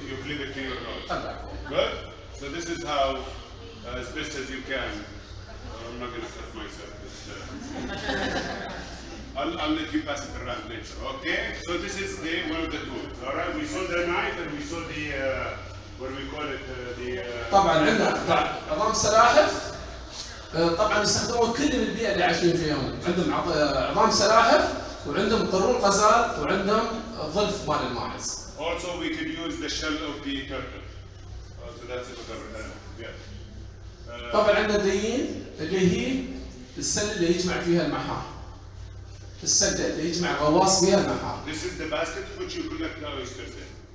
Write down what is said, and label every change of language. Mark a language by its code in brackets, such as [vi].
[en] You clip it to your nose. Good? So this is how, as best as you can, I'm not gonna stuff myself. I'll let you pass it around later. Okay. So this is the one of the tools. All right. We saw the knife and we saw the what do we call it? The. [ar] طبعا عندنا عظام سلاحف. طبعا استخدموا كل البيئة اللي عايشين فيها. عندهم عظام سلاحف وعندهم قرون قزاز وعندهم ظلف مال الماعز. [en] Also, we could use the shell of the turtle. So that's it for the yeah. [ar] طبعا عندنا الدين اللي هي السلة اللي يجمع فيها المحا. السلة اللي يجمع غواص فيها المحا. [en] This is the basket which you collect the oysters in.